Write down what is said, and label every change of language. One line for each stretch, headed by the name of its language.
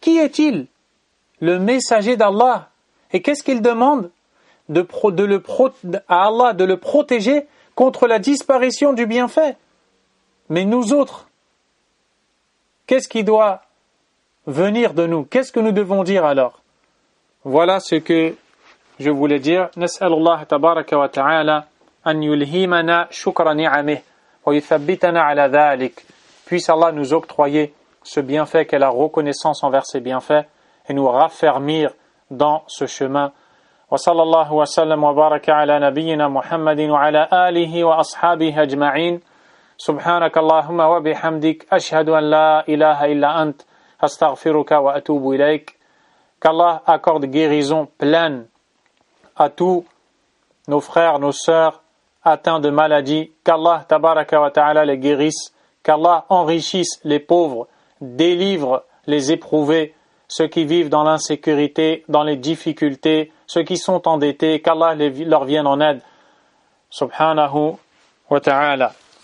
French: Qui est-il ? Le messager d'Allah. Et qu'est-ce qu'il demande à Allah de le protéger contre la disparition du bienfait ? Mais nous autres, qu'est-ce qui doit venir de nous? Qu'est-ce que nous devons dire alors? Voilà ce que je voulais dire.
Arabic: نسأل الله تبارك وتعالى أن يلهمنا شكر نعمه ويثبتنا على ذلك.
French: Puisse Allah nous octroyer ce bienfait qu'est la reconnaissance envers ses bienfaits et nous raffermir dans ce chemin.
Arabic: وصلى الله وسلم وبارك على نبينا محمد وعلى آله وأصحابه أجمعين. سبحانك اللهم وبحمدك أشهد أن لا إله إلا أنت أستغفرك وأتوب إليك.
French: Qu'Allah accorde guérison pleine à tous nos frères, nos sœurs atteints de maladies. Qu'Allah
Arabic: تبارك وتعالى
French: les guérisse. Qu'Allah enrichisse les pauvres, délivre les éprouvés, ceux qui vivent dans l'insécurité, dans les difficultés, ceux qui sont endettés. Qu'Allah leur vienne en aide.
Arabic: سبحانه وتعالى.